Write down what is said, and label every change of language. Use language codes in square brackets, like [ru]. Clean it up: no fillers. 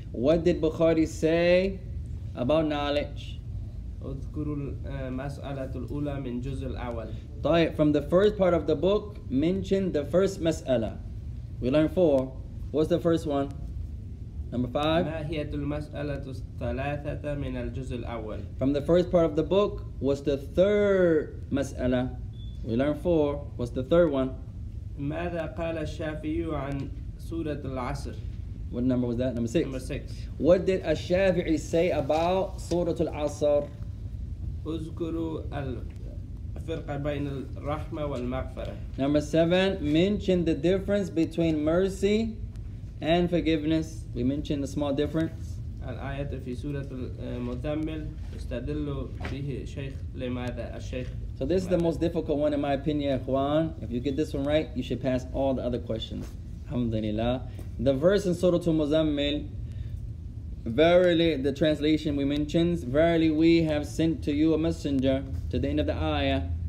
[en] What did Bukhari say about knowledge? [ar] أذكر المسألة الأولى من جزء الأول. [en] طيب, from the first part of the book, mention the first مسألة. We learned four. What's the first one? Number five. [ar] ما هي المسألة الثلاثة من الجزء الأول؟ [en] From the first part of the book, what's the third مسألة? We learned four. What's the third one? [ar] ماذا قال الشافعي عن سورة العصر? [en] What number was that? Number six. Number six. What did الشافعي say about سورة العصر? [ar] أذكر الفرق بين الرحمة والمغفرة. [en] Number seven. Mention the difference between mercy and forgiveness. We mentioned a small difference. [ar] الآية في سورة المزمل استدل به شيخ لماذا الشيخ. [en] So this is the most difficult one in my opinion, Ikhwan. If you get this one right, you should pass all the other questions. Alhamdulillah. The verse in Surah Al-Muzammil, verily, the translation we mentioned, verily we have sent to you a messenger, to the end of the ayah.